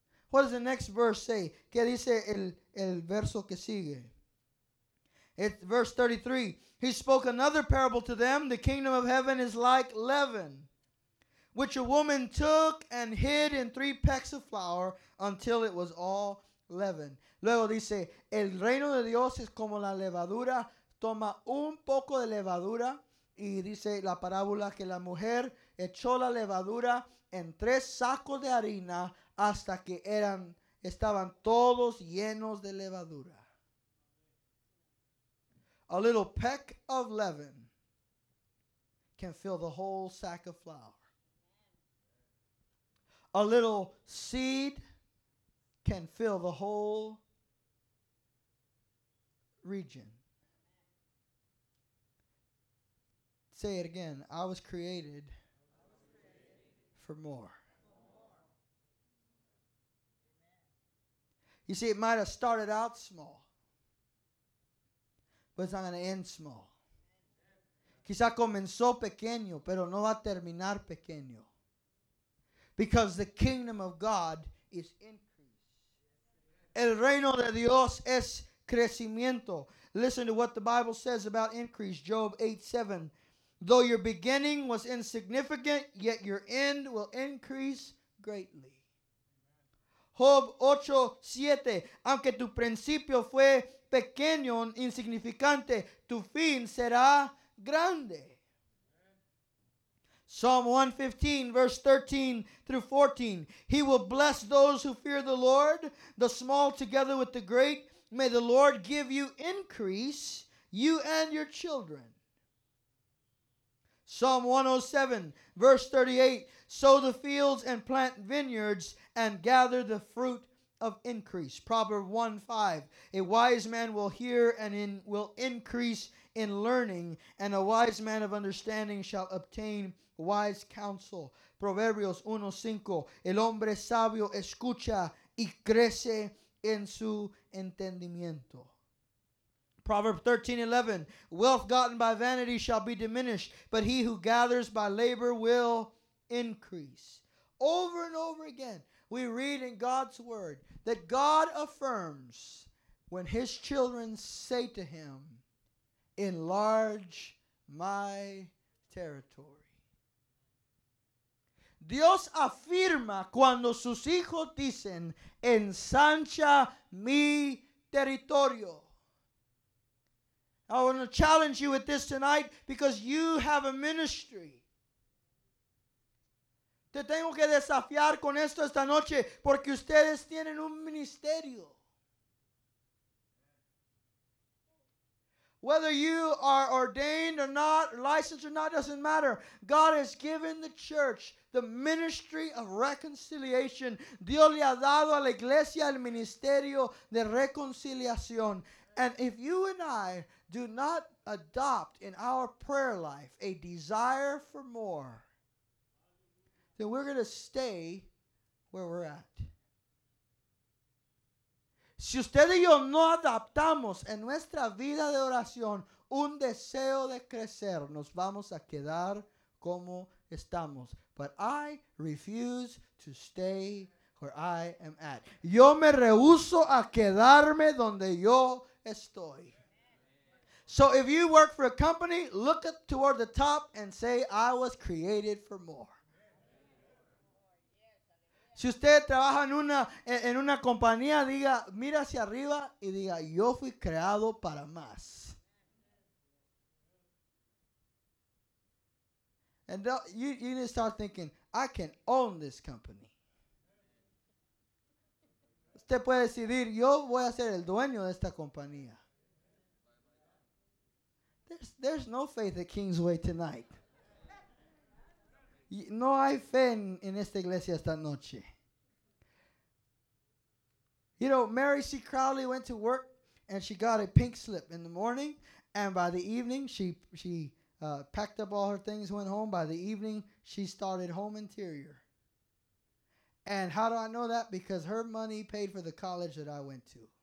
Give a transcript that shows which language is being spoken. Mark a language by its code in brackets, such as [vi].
[en] What does the next verse say? [es] ¿Qué dice el verso que sigue? [en] It's verse 33. He spoke another parable to them. The kingdom of heaven is like leaven, which a woman took and hid in 3 pecks of flour until it was all leaven. [es] Luego dice, el reino de Dios es como la levadura. Toma un poco de levadura. Y dice la parábola que la mujer echó la levadura en 3 sacos de harina hasta que estaban todos llenos de levadura. [en] A little peck of leaven can fill the whole sack of flour. A little seed can fill the whole region. Say it again. I was created for more. You see, it might have started out small, but it's not going to end small. [es] Quizá comenzó pequeño, pero no va a terminar pequeño. [en] Because the kingdom of God is increase. [es] El reino de Dios es crecimiento. [en] Listen to what the Bible says about increase. Job 8:7. Though your beginning was insignificant, yet your end will increase greatly. Job 8:7. [es] Aunque tu principio fue pequeño, insignificante, tu fin será grande. [en] Psalm 115, verse 13 through 14. He will bless those who fear the Lord, the small together with the great. May the Lord give you increase, you and your children. Psalm 107, verse 38. Sow the fields and plant vineyards and gather the fruit of increase. Proverbs 1:5. A wise man will hear and will increase in learning, and a wise man of understanding shall obtain wise counsel. [es] Proverbios 1:5. El hombre sabio escucha y crece en su entendimiento. [en] Proverbs 13:11. Wealth gotten by vanity shall be diminished, but he who gathers by labor will increase. Over and over again, we read in God's word that God affirms when his children say to him, enlarge my territory. [es] Dios afirma cuando sus hijos dicen, ensancha mi territorio. [en] I want to challenge you with this tonight because you have a ministry. [es] Te tengo que desafiar con esto esta noche porque ustedes tienen un ministerio. [en] Whether you are ordained or not, licensed or not, doesn't matter. God has given the church the ministry of reconciliation. [es] Dios le ha dado a la iglesia el ministerio de reconciliación. [en] And if you and I do not adopt in our prayer life a desire for more, then we're going to stay where we're at. [es] Si usted y yo no adaptamos en nuestra vida de oración un deseo de crecer, nos vamos a quedar como estamos. [en] But I refuse to stay where I am at. [es] Yo me rehuso a quedarme donde yo estoy. [en] So if you work for a company, look up toward the top and say, I was created for more. [es] Si usted trabaja en una compañía, diga, mira hacia arriba y diga, yo fui creado para más. [en] And you need to start thinking, I can own this company. [es] Usted puede decidir, yo voy a ser el dueño de esta compañía. [en] There's no faith at Kingsway tonight. [es] No hay fe en esta iglesia esta noche. [en] You know, Mary C. Crowley went to work and she got a pink slip in the morning, and by the evening she packed up all her things, went home. By the evening she started home interior. And how do I know that? Because her money paid for the college that I went to.